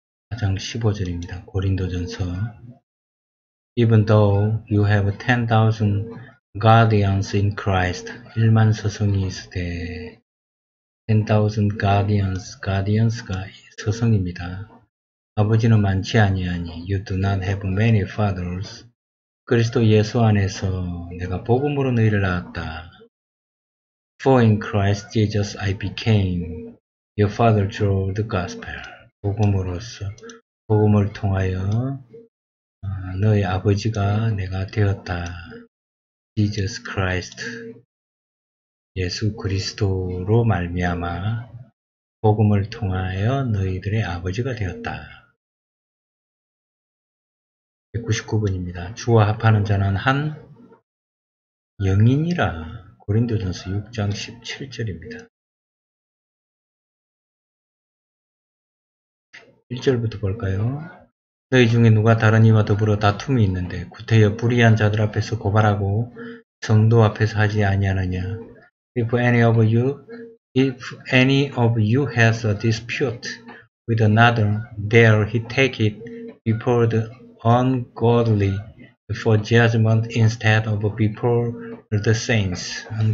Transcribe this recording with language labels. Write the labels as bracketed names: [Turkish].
[Korean] 4장 15절입니다. 고린도전서. [English] Even though you have 10,000 guardians in Christ, [Korean] 1만 서성이 있으되, [English] 10,000 guardians, guardians가 [Korean] 서성입니다. 아버지는 많지 아니하니, [English] you do not have many fathers. [Korean] 그리스도 예수 안에서 내가 복음으로 너희를 낳았다. [English] For in Christ Jesus I became your father through the gospel. [Korean] 복음으로서, 복음을 통하여 너의 아버지가 내가 되었다. Jesus Christ, 예수 그리스도로 말미암아 복음을 통하여 너희들의 아버지가 되었다. 199번입니다. 주와 합하는 자는 한 영이니라. 고린도전서 6장 17절입니다. 1절부터 볼까요? 너희 중에 누가 다른 이와 더불어 다툼이 있는데 구태여 불의한 자들 앞에서 고발하고 성도 앞에서 하지 아니하느냐. [English] If any of you has a dispute with another, there he take it before the ungodly for judgment instead of before the saints.